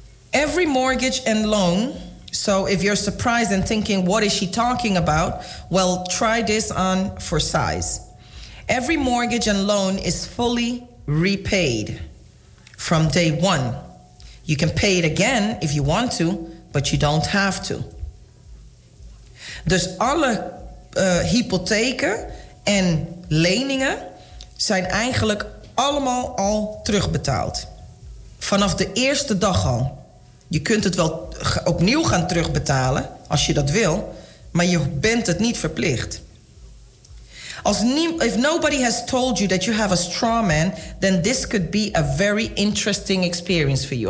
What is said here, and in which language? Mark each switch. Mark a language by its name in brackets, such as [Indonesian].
[English] Every mortgage and loan. So if you're surprised and thinking, what is she talking about? Well, try this on for size. Every mortgage and loan is fully repaid from day one. You can pay it again if you want to, but you don't have to. [Dutch] Dus alle hypotheken en leningen zijn eigenlijk allemaal al terugbetaald. Vanaf de eerste dag al. Je kunt het wel opnieuw gaan terugbetalen als je dat wil, maar je bent het niet verplicht. [English] If nobody has told you that you have a straw man, then this could be a very interesting experience for you.